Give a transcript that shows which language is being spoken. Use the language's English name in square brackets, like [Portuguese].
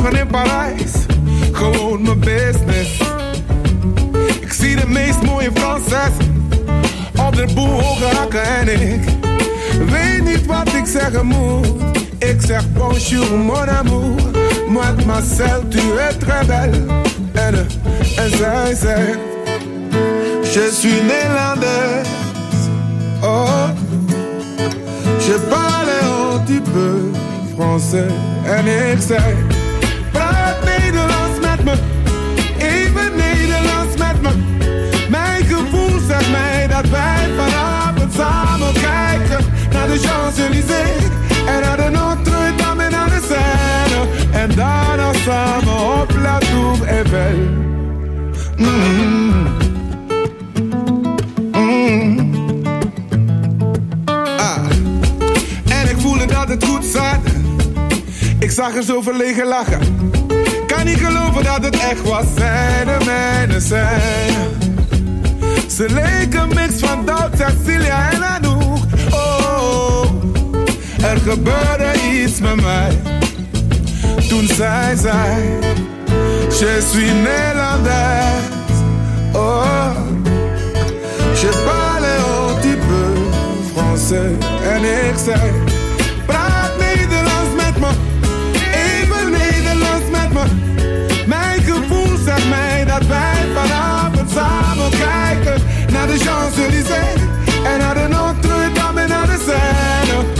[Dutch] Parijs, gewoon mijn business. Ik zie de meest mooie Fransessen op de boel hakken en ik weet niet wat ik zeggen moet. Ik zeg [French] bonjour mon amour, mademoiselle, tu es très belle. [Dutch] En zij zegt, [French] je suis Nederlandaise. Oh, je parle un petit peu français. [Dutch] En ik zei, praat Nederlands met me, even Nederlands met me. Mijn gevoel zegt mij dat wij vanavond samen kijken naar de Champs-Élysées en naar de Notre-Dame en naar de Seine. En daarna samen op La Tour Eiffel. En ik voelde dat het goed zat. Ik zag haar zo verlegen lachen. Kan niet geloven dat het echt was. Zij de mijne zijn. Ze leek een mix van Duits, Cecilia en Anouk. Oh, er gebeurde iets met mij. Toen zij zei, [French] je suis Nederlander. Oh, je parle un petit peu français. [Dutch] En ik zei, praat Nederlands met me, even Nederlands met me. Mijn gevoel zegt mij dat wij vanavond samen kijken naar de Champs-Élysées en naar de Notre-Dame en naar de Seine.